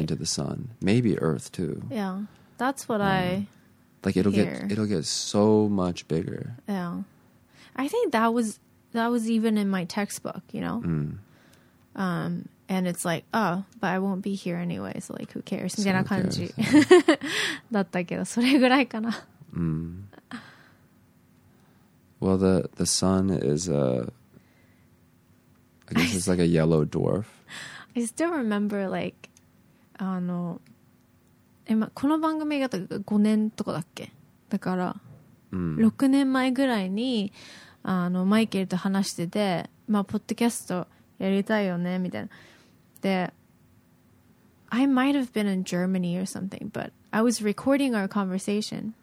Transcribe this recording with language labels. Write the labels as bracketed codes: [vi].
[en] into the sun. Maybe Earth, too. Yeah. That's what I... Like it'll get so much bigger. Yeah, I think that was even in my textbook, you know. Mm. And it's like, oh, but I won't be here anyway, so like, who cares? [ja] みたいな感じだったけど、それぐらいかな。 [en] Well, the sun is a, I guess it's like a yellow dwarf. I still remember like, [ja] あの。この番組が5年とかだっけ、だから6年前ぐらいにあのマイケルと話してて、まあポッドキャストやりたいよねみたいな、で [en] I might have been in Germany or something, but I was recording our conversation、